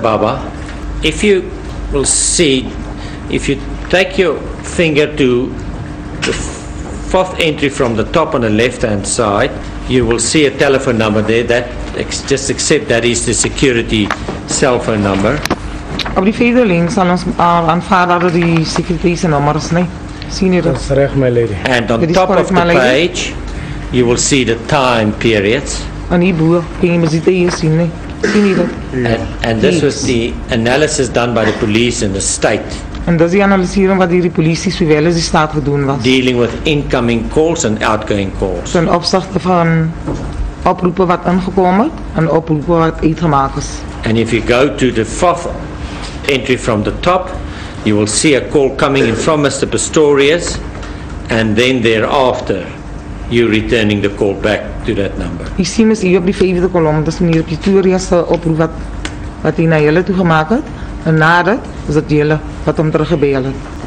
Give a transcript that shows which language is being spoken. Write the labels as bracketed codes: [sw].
[en] Baba, if you will see, if you take your finger to the fourth entry from the top on the left-hand side, you will see a telephone number there. That just accept that is the security cell phone number. [af] Op die vierde link sal ons aanvaar dat dit die sekuriteits nommers nie. Sien jy dit? Dis reg, my lady. [en] And on top of the page, you will see the time periods. [af] En hier bo, kan jy dit hier sien nie? Sien jy dit? [en] And this was the analysis done by the police in the state. [af] En dis die analiseer wat hierdie polisie sowel as die staat gedoen was. [en] Dealing with incoming calls and outgoing calls. [af] Ten opsigte van oproepe wat ingekom het en oproepe wat uitgemaak is. [en] And if you go to the fourth entry from the top, you will see a call coming in from Mr. Pistorius, and then thereafter, you returning the call back to that number. [af] Ek sien mes hier op die vyfde kolom, dis meneer Pistorius se oproep wat hy na julle toe gemaak het, en na dit is dit julle wat hom teruggebel het.